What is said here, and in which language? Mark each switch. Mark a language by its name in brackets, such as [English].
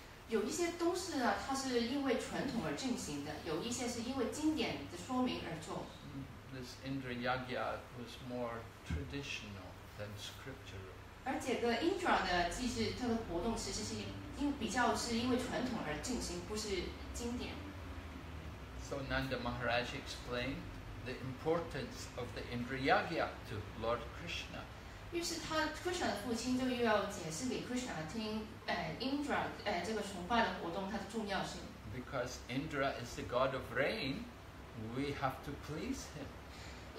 [Chinese] 有一些都是它是因为传统而进行的，有一些是因为经典的说明而做。 [English] this Indra Yagya was more traditional than scriptural. [Chinese] 而且 Indra 的祭祀它的活动其实是因为传统而进行，不是经典。 [English] So Nanda Maharaj explained the importance of the Indra Yagya to Lord Krishna. [Chinese] 于是他 Krishna 的父亲就又要解释给 Krishna 听，Indra这个崇拜的活动它的重要性。 [English] Because Indra is the god of rain, we have to please him.